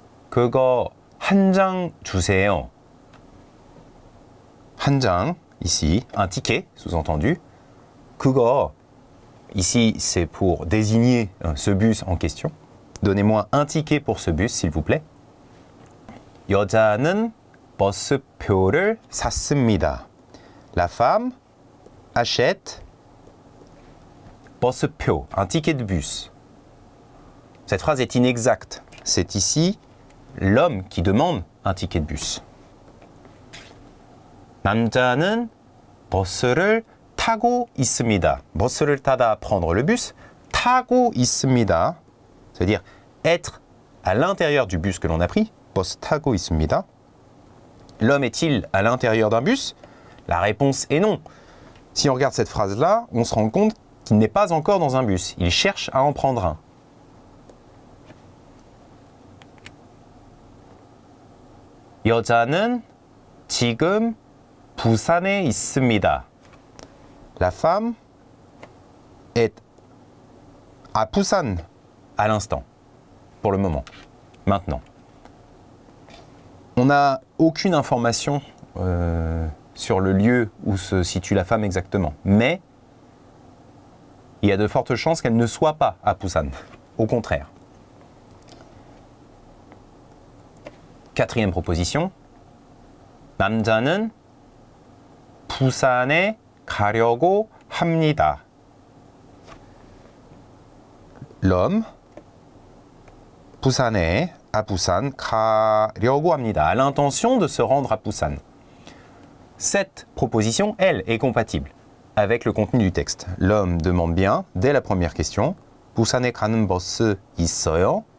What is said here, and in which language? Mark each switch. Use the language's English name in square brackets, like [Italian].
[Korean] 그거 한 장 주세요. 한 장, [French] ici, un ticket, sous-entendu. [Korean] 그거, [French] ici, c'est pour désigner ce bus en question. Donnez-moi un ticket pour ce bus, s'il vous plaît. [Korean] 여자는 버스표를 샀습니다. [French] La femme achète [Korean] 버스표, [French] un ticket de bus. Cette phrase est inexacte. C'est ici l'homme qui demande un ticket de bus. [Korean] 남자는 버스를 타고 있습니다. 버스를 타다, [French] prendre le bus. [Korean] 타고 있습니다. [French] C'est-à-dire être à l'intérieur du bus que l'on a pris. [Korean] 버스 타고 있습니다. [French] L'homme est-il à l'intérieur d'un bus? La réponse est non. Si on regarde cette phrase-là, on se rend compte qu'il n'est pas encore dans un bus. Il cherche à en prendre un. [Korean] 여자는 지금 부산에 있습니다. [French] La femme est à Busan à l'instant, pour le moment, maintenant. On n'a aucune information sur le lieu où se situe la femme exactement, mais il y a de fortes chances qu'elle ne soit pas à Busan, au contraire. Quatrième proposition. [Korean] 남자는 부산에 가려고 합니다. [French] L'homme, [Korean] 부산에, [French] à Busan, [Korean] 가려고 합니다. [French] A l'intention de se rendre à Busan. Cette proposition, elle, est compatible avec le contenu du texte. L'homme demande bien, dès la première question, [Korean] 부산에 가는 버스 있어요?